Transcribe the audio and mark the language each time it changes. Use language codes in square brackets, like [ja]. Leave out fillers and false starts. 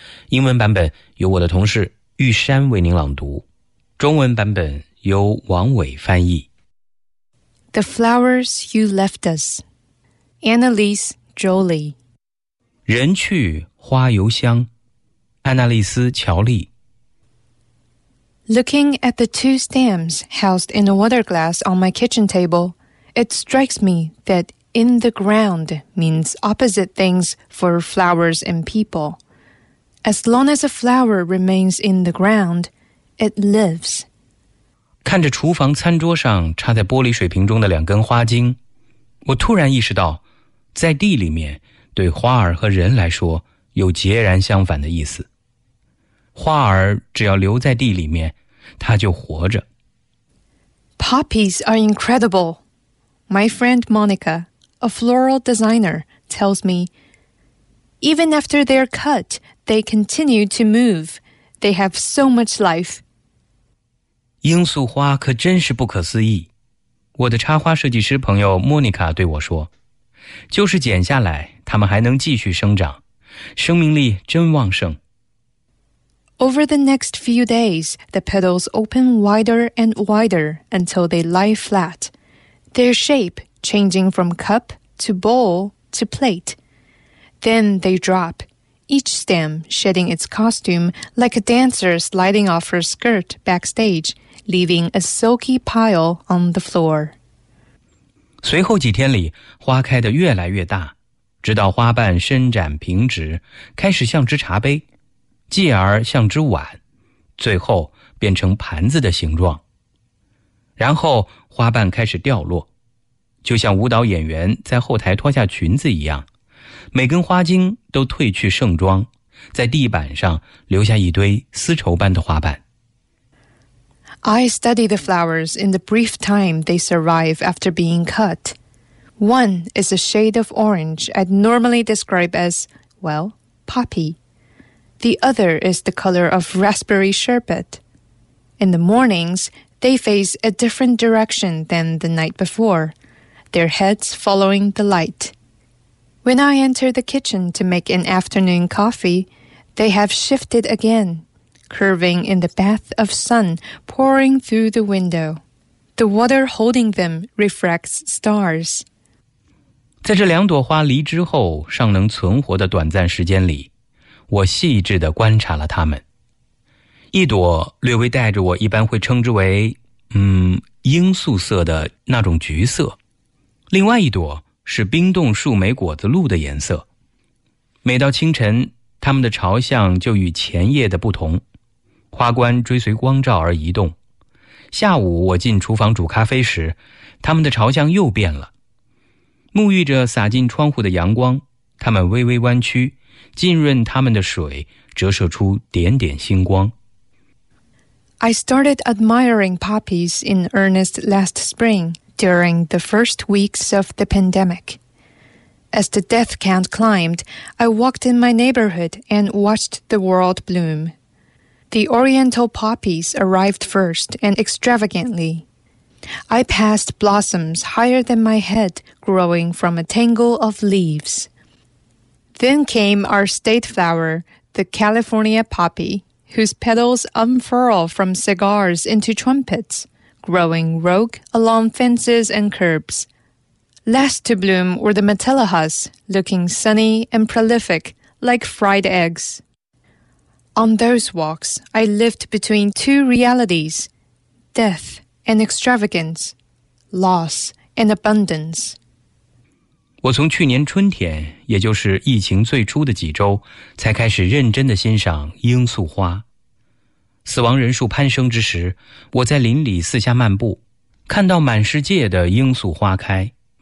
[zh] 英文版本由我的同事玉山为您朗读，中文版本由王伟翻译。 [en] The Flowers You Left Us, Annelise Jolley. [zh] 人去花犹香，安娜丽丝·乔利。 [en] Looking at the two stems housed in a water glass on my kitchen table, it strikes me that in the ground means opposite things for flowers and people. As long as a flower remains in the ground, it lives. [zh] 看着厨房餐桌上插在玻璃水瓶中的两根花茎，我突然意识到，在地里面对花儿和人来说有截然相反的意思。花儿只要留在地里面，它就活着。 [en] Poppies are incredible. My friend Monica, a floral designer, tells me, even after they're cut, they continue to move. They have so much life. [zh] 罂粟花可真是不可思议。我的插花设计师朋友莫妮卡对我说，就是剪下来，它们还能继续生长，生命力真旺盛。 [en] Over the next few days, the petals open wider and wider until they lie flat, their shape changing from cup to bowl to plate. Then they drop, each stem shedding its costume like a dancer sliding off her skirt backstage, leaving a silky pile on the floor. [zh] 随后几天里，花开得越来越大，直到花瓣伸展平直，开始像只茶杯。继而像只碗，最后变成盘子的形状。然后花瓣开始掉落，就像舞蹈演员在后台脱下裙子一样，每根花茎都褪去盛装，在地板上留下一堆丝绸般的花瓣。 [en] I study the flowers in the brief time they survive after being cut. One is a shade of orange I'd normally describe as, well, poppy. The other is the color of raspberry sherbet. In the mornings, they face a different direction than the night before, their heads following the light. When I enter the kitchen to make an afternoon coffee, they have shifted again, curving in the bath of sun pouring through the window. The water holding them refracts stars. [zh] 在这两朵花离枝后尚能存活的短暂时间里，我细致地观察了它们。一朵略微带着我一般会称之为罂粟色的那种橘色，另外一朵是冰冻树莓果子露的颜色。每到清晨，它们的朝向就与前夜的不同，花冠追随光照而移动。下午我进厨房煮咖啡时，它们的朝向又变了。沐浴着洒进窗户的阳光，它们微微弯曲，浸润它们的水，折射出点点星光。 [en] I started admiring poppies in earnest last spring during the first weeks of the pandemic. As the death count climbed, I walked in my neighborhood and watched the world bloom. The oriental poppies arrived first and extravagantly. I passed blossoms higher than my head growing from a tangle of leaves. Then came our state flower, the California poppy, whose petals unfurl from cigars into trumpets, growing rogue along fences and curbs. Last to bloom were the metellahas, looking sunny and prolific, like fried eggs. On those walks, I lived between two realities, death and extravagance, loss and abundance. [zh] 我从去年春天，也就是疫情最初的几周，才开始认真地欣赏罂粟花。死亡人数攀升之时，我在邻里四下漫步，看到满世界的罂粟花开。